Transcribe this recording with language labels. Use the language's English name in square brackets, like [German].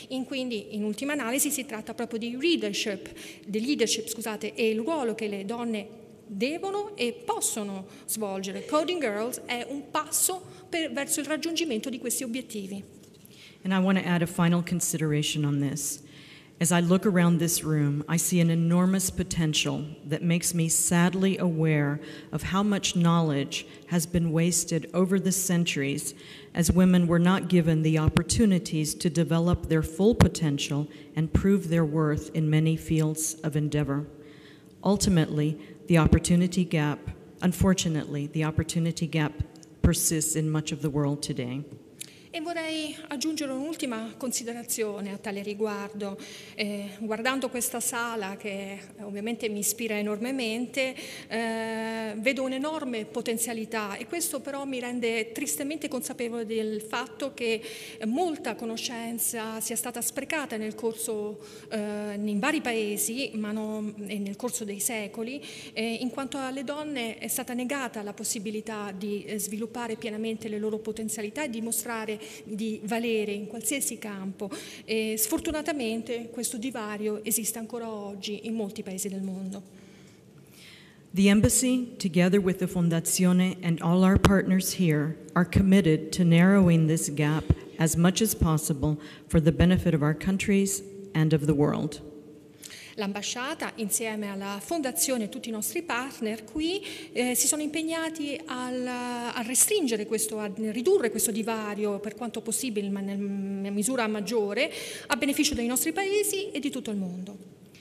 [Italian] Quindi in ultima analisi si tratta proprio di leadership. [English] The leadership, [Italian] e il ruolo che le donne devono e possono svolgere. Coding Girls è un passo verso il raggiungimento di questi obiettivi. [English] And I want to add a final consideration on this. As I look around this room, I see an enormous potential that makes me sadly aware of how much knowledge has been wasted over the centuries as women were not given the opportunities to develop their full potential and prove their worth in many fields of endeavor. Ultimately, unfortunately, the opportunity gap persists in much of the world today. [Italian] E vorrei aggiungere un'ultima considerazione a tale riguardo. Guardando questa sala, che ovviamente mi ispira enormemente, vedo un'enorme potenzialità, e questo però mi rende tristemente consapevole del fatto che molta conoscenza sia stata sprecata nel corso, in vari paesi, ma non, e nel corso dei secoli, in quanto alle donne è stata negata la possibilità di sviluppare pienamente le loro potenzialità e dimostrare di valere in qualsiasi campo. E sfortunatamente questo divario esiste ancora oggi in molti paesi del mondo. [English] The embassy, together with the Fondazione and all our partners here, are committed to narrowing this gap as much as possible for the benefit of our countries and of the world. [Italian] L'ambasciata, insieme alla Fondazione e tutti i nostri partner qui, si sono impegnati a ridurre questo divario per quanto possibile, ma nella misura maggiore, a beneficio dei nostri paesi e di tutto il mondo.